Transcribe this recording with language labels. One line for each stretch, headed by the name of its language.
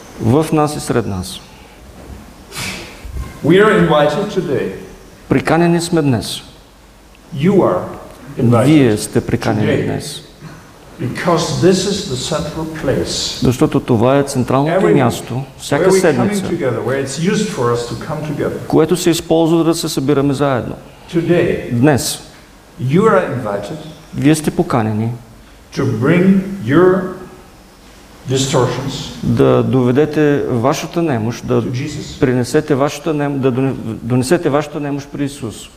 Bulgarian: В нас и сред нас.
English: We are invited today.
Bulgarian: Приканени сме днес.
English: You are invited.
Bulgarian: Вие сте приканени днес.
English: Because this is the central place.
Bulgarian: Защото това е централното място всяка седмица.
English: Where it's used for us to come together.
Bulgarian: Което се използва да се събираме заедно.
English: Today.
Bulgarian: Днес.
English: You are invited.
Bulgarian: Вие сте поканени.
English: To bring your distortions.
Bulgarian: Да доведете вашата немощ, да принесете вашата немощ, да донесете вашата немощ при Исус.